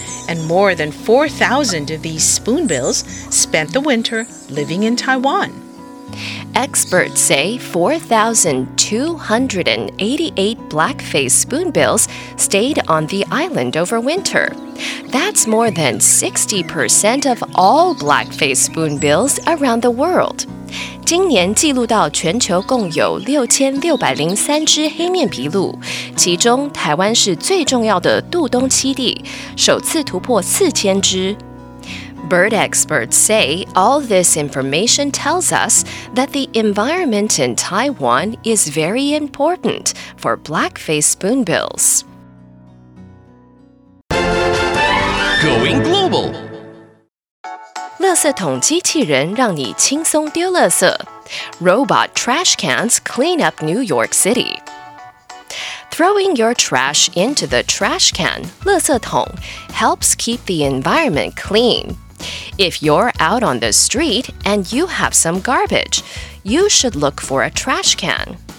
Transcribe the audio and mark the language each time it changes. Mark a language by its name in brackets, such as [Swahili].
[English] And more than 4,000 of these spoonbills spent the winter living in Taiwan. Experts say 4,288 black-faced spoonbills stayed on the island over winter. That's more than 60% of all black-faced spoonbills around the world. [Chinese] 今年记录到全球共有6603只黑面琵鹭，其中台湾是最重要的度冬栖地，首次突破4000只。 [English] Bird experts say all this information tells us that the environment in Taiwan is very important for black-faced spoonbills. Going global. [Chinese] 垃圾桶机器人让你轻松丢垃圾。 [English] Robot trash cans clean up New York City. Throwing your trash into the trash can, 垃圾桶, helps keep the environment clean. If you're out on the street and you have some garbage, you should look for a trash can.